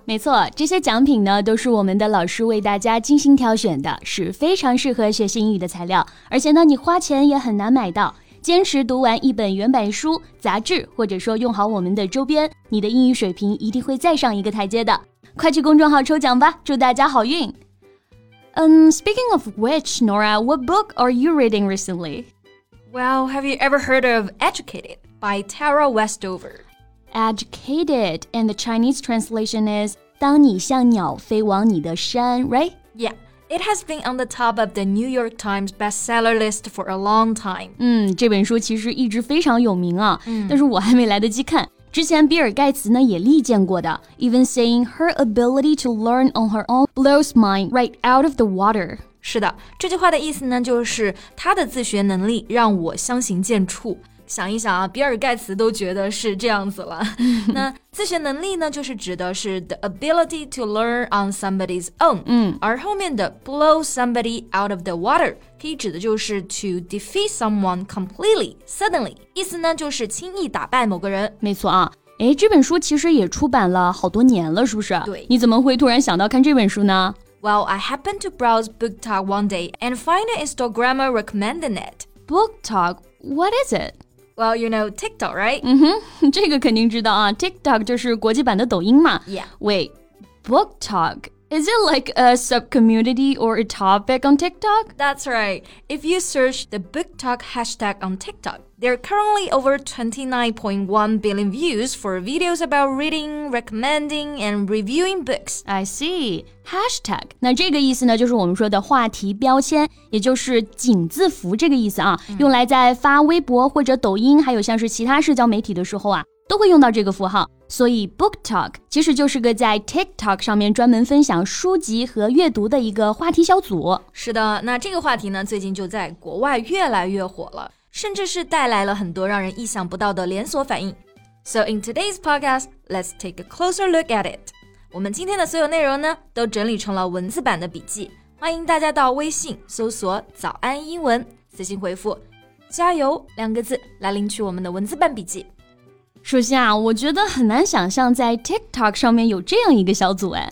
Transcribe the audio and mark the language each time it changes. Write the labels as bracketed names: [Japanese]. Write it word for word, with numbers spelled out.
[Chinese] 没错，这些奖品呢都是我们的老师为大家精心挑选的，是非常适合学习英语的材料，而且呢你花钱也很难买到。坚持读完一本原版书、杂志，或者说用好我们的周边，你的英语水平一定会再上一个台阶的。快去公众号抽奖吧，祝大家好运。 [English] Um, speaking of which, Nora, what book are you reading recently? Well, have you ever heard of Educated by Tara Westover? Educated, and the Chinese translation is [Chinese] 当你像鸟飞往你的山 [English] right? Yeah, it has been on the top of the New York Times bestseller list for a long time. [Chinese] 嗯，这本书其实一直非常有名啊，嗯、但是我还没来得及看。之前比尔盖茨呢也力荐过的 [English] even saying her ability to learn on her own blows mine right out of the water. [Chinese] 是的，这句话的意思呢就是她的自学能力让我相形见绌。想一想啊，比尔盖茨都觉得是这样子了。那自学能力呢，就是指的是 [English] the ability to learn on somebody's own。嗯， [Chinese] 而后面的 [English] blow somebody out of the water， [Chinese] 可以指的就是 [English] to defeat someone completely, suddenly。 [Chinese] 意思呢，就是轻易打败某个人。没错啊，诶，这本书其实也出版了好多年了，是不是？对。你怎么会突然想到看这本书呢？ [English] Well, I happened to browse BookTok one day and find an Instagrammer recommending it. BookTok? What is it? Well, you know TikTok, right? [Chinese] 嗯哼，这个肯定知道啊 TikTok 就是国际版的抖音嘛。 [English] Yeah. Wait, BookTok? Is it like a sub-community or a topic on TikTok? That's right. If you search the BookTok hashtag on TikTok, there are currently over twenty-nine point one billion views for videos about reading, recommending, and reviewing books. I see. Hashtag. [Chinese] 那这个意思呢，就是我们说的话题标签，也就是井字符这个意思啊，嗯、用来在发微博或者抖音，还有像是其他社交媒体的时候啊，都会用到这个符号。所以 BookTok 其实就是个在 TikTok 上面专门分享书籍和阅读的一个话题小组。是的，那这个话题呢，最近就在国外越来越火了，甚至是带来了很多让人意想不到的连锁反应。 [English] So in today's podcast, let's take a closer look at it. [Chinese] 我们今天的所有内容呢，都整理成了文字版的笔记，欢迎大家到微信搜索早安英文，私信回复加油两个字来领取我们的文字版笔记。首先啊，我觉得很难想象在 TikTok 上面有这样一个小组哎。